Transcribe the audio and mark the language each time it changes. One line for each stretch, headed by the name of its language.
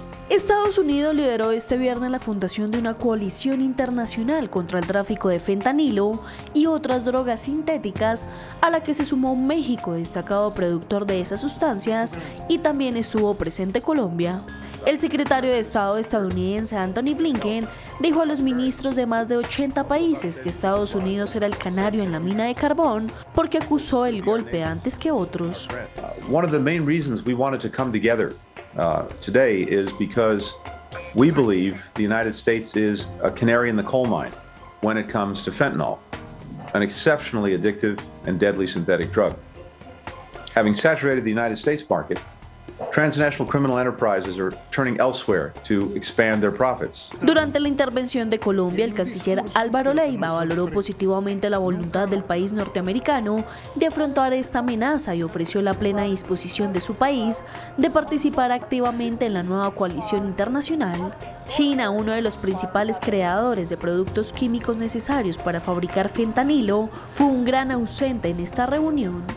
Spanish: Estados Unidos lideró este viernes la fundación de una coalición internacional contra el tráfico de fentanilo y otras drogas sintéticas, a la que se sumó México, destacado productor de esas sustancias, y también estuvo presente Colombia. El secretario de Estado estadounidense Anthony Blinken dijo a los ministros de más de 80 países que Estados Unidos era el canario en la mina de carbón porque acusó el golpe antes que otros.
English: One of the main reasons we wanted to come together today is because we believe the United States is a canary in the coal mine when it comes to fentanyl, an exceptionally addictive and deadly synthetic drug. Having saturated the United States market, transnational criminal enterprises are turning elsewhere to expand their profits.
Spanish: Durante la intervención de Colombia, el canciller Álvaro Leyva valoró positivamente la voluntad del país norteamericano de afrontar esta amenaza y ofreció la plena disposición de su país de participar activamente en la nueva coalición internacional. China, uno de los principales creadores de productos químicos necesarios para fabricar fentanilo, fue un gran ausente en esta reunión.